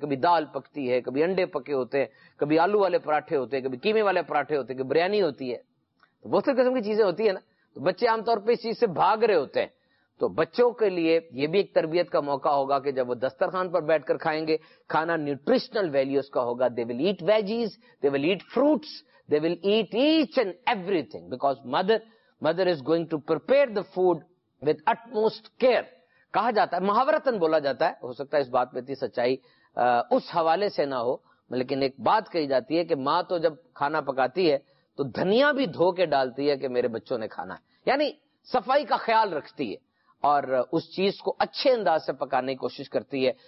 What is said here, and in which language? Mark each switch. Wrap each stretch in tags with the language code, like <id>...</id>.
<ur>کبھی دال پکتی ہے, کبھی انڈے پکے ہوتے ہیں, کبھی آلو والے پراٹھے ہوتے ہیں, کبھی قیمے والے پراٹھے ہوتے ہیں, کبھی بریانی ہوتی ہے. تو مختلف قسم کی چیزیں ہوتی ہیں نا, تو بچے عام طور پہ اس چیز سے بھاگ رہے ہوتے ہیں. تو بچوں کے لیے یہ بھی ایک تربیت کا موقع ہوگا کہ جب وہ دسترخوان پر بیٹھ کر کھائیں گے, کھانا نیوٹریشنل ویلیوز کا ہوگا.</ur> <en>They will eat veggies, they will eat fruits, they will eat each and everything, because mother is going to prepare the food with utmost care.</en> <ur>کہا جاتا ہے, محاورتن بولا جاتا ہے, ہو سکتا ہے اس بات میں اتنی سچائی اس حوالے سے نہ ہو, لیکن ایک بات کہی جاتی ہے کہ ماں تو جب کھانا پکاتی ہے تو دھنیا بھی دھو کے ڈالتی ہے کہ میرے بچوں نے کھانا ہے. یعنی صفائی کا خیال رکھتی ہے اور اس چیز کو اچھے انداز سے پکانے کی کوشش کرتی ہے.</ur>